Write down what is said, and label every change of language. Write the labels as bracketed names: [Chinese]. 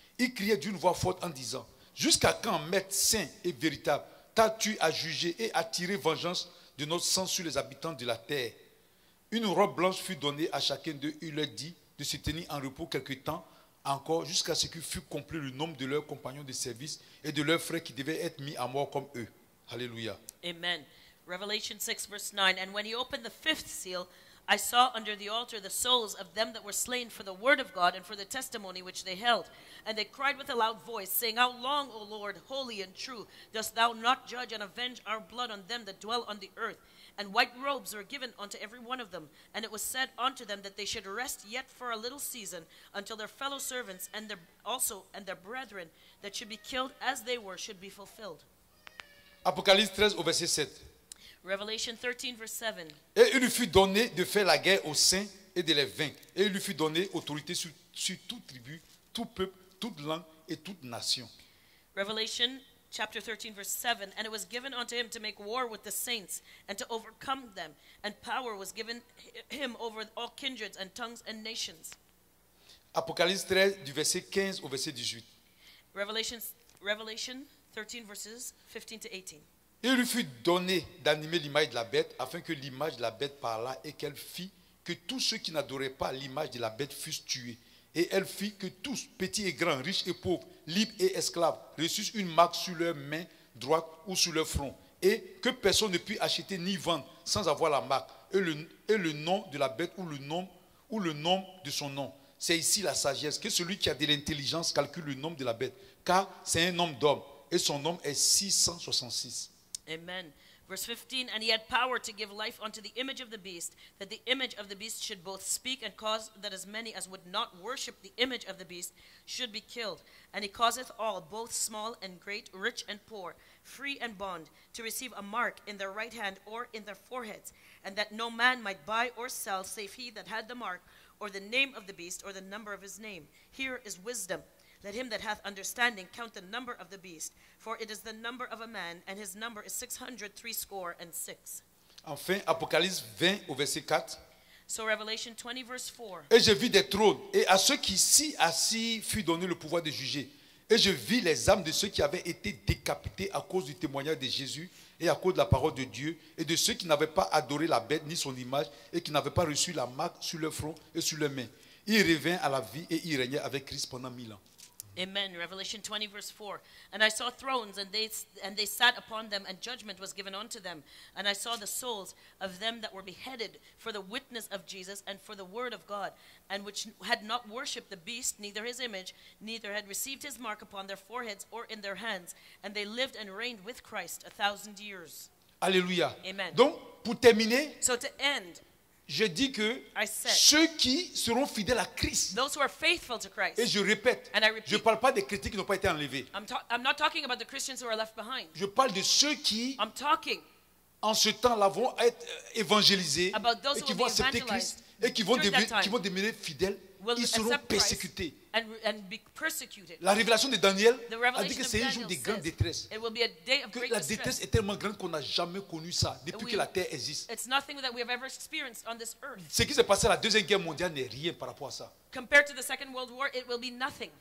[French] Il criait d'une voix forte en disant, « Jusqu'à quand, maître saint et véritable, t'as-tu à juger et à tirer vengeance de notre sang sur les habitants de la terre ?» Une robe blanche fut donnée à chacun d'eux. Il leur dit de se tenir en repos quelque temps encore jusqu'à ce qu'il fût complet le nombre de leurs compagnons de service et de leurs frères qui devaient être mis à mort comme eux. Alléluia. [English] Amen. Revelation 6, verse 9. And when he opened the fifth seal, I saw under the altar the souls of them that were slain for the word of God and for the testimony which they held. And they cried with a loud voice, saying, How long, O Lord, holy and true, dost thou not judge and avenge our blood on them that dwell on the earth? And white robes were given unto every one of them. And it was said unto them that they should rest yet for a little season until their fellow servants and their brethren that should be killed as they were should be fulfilled. [French] Apocalypse 13, au verset 7. [English] Revelation 13, verse 7. [French] Et il lui fut donné de faire la guerre aux saints et de les vaincre. Et il lui fut donné autorité sur toute tribu, tout peuple, toute langue et toute nation. [English] Revelation chapter 13, verse 7. And it was given unto him to make war with the saints and to overcome them. And power was given him over all kindreds and tongues and nations. [French] Apocalypse 13, du verset 15 au verset 18. [English] Revelation 13, verses 15 to 18. [French] Il lui fut donné d'animer l'image de la bête, afin que l'image de la bête parlât et qu'elle fît que tous ceux qui n'adoraient pas l'image de la bête fussent tués. Et elle fit que tous, petits et grands, riches et pauvres, libres et esclaves, reçussent une marque sur leur main droite ou sur leur front, et que personne ne puisse acheter ni vendre sans avoir la marque et le nom de la bête ou le nom de son nom. C'est ici la sagesse, que celui qui a de l'intelligence calcule le nom de la bête, car c'est un nom d'homme et son nom est 666. Amen. [English] Verse 15, and he had power to give life unto the image of the beast, that the image of the beast should both speak and cause that as many as would not worship the image of the beast should be killed. And he causeth all, both small and great, rich and poor, free and bond, to receive a mark in their right hand or in their foreheads, and that no man might buy or sell save he that had the mark or the name of the beast or the number of his name. Here is wisdom. Let him that hath understanding count the number of the beast, for it is the number of a man, and his number is 666. [French] Enfin, Apocalypse 20 au verset 4. [English] So Revelation 20 verse 4. [French] Et je vis des trônes, et à ceux qui s'y assis fut donné le pouvoir de juger. Et je vis les âmes de ceux qui avaient été décapités à cause du témoignage de Jésus et à cause de la parole de Dieu et de ceux qui n'avaient pas adoré la bête ni son image et qui n'avaient pas reçu la marque sur leur front et sur leurs mains. Ils revinrent à la vie et ils régnaient avec Christ pendant 1000 ans. [English] Amen. Revelation 20 verse 4. And I saw thrones and they sat upon them and judgment was given unto them. And I saw the souls of them that were beheaded for the witness of Jesus and for the word of God and which had not worshipped the beast neither his image neither had received his mark upon their foreheads or in their hands and they lived and reigned with Christ 1,000 years. Alléluia. Amen. [French] Donc pour terminer, [English] so to end, [French] je dis que ceux qui seront fidèles à Christ, [English] those who are faithful to Christ, [French] et je répète, [English] and I repeat, [French] je ne parle pas des chrétiens qui n'ont pas été enlevés. [English] I'm not talking about the Christians who are left behind. [French] Je parle de ceux qui, [English] I'm talking, [French] en ce temps-là, vont être évangélisés [English] about those [French] et qui vont accepter Christ et qui vont demeurer fidèles. [English] Will [French] ils seront persécutés. [English] And be persecuted. [French] La révélation de Daniel a dit que c'est un jour de grande détresse. [English] It will be a day of [French] que [English] great [French] la détresse est tellement grande qu'on n'a jamais connu ça depuis que la terre existe. [English] It's nothing that we have ever experienced on this earth. [French] Ce qui s'est passé à la Deuxième Guerre mondiale n'est rien par rapport à ça. [English] Compared to the Second World War, it will be nothing.